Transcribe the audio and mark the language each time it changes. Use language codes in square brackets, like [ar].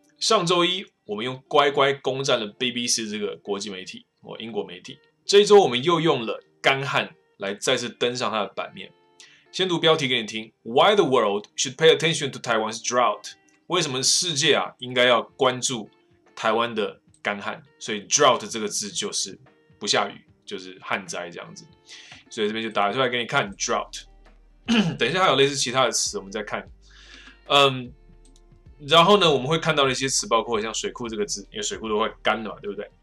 [zh] 上周一我们用乖乖攻占了 BBC 这个国际媒体，英国媒体。这一周我们又用了干旱来再次登上它的版面。先读标题给你听， [en] Why the world should pay attention to Taiwan's drought? [zh] 为什么世界啊应该要关注台湾的干旱？所以 drought 这个字就是不下雨，就是旱灾这样子。所以这边就打出来给你看 drought。等一下还有类似其他的词我们再看。然后呢，我们会看到的一些词，包括像水库这个字，因为水库都会干了嘛，对不对？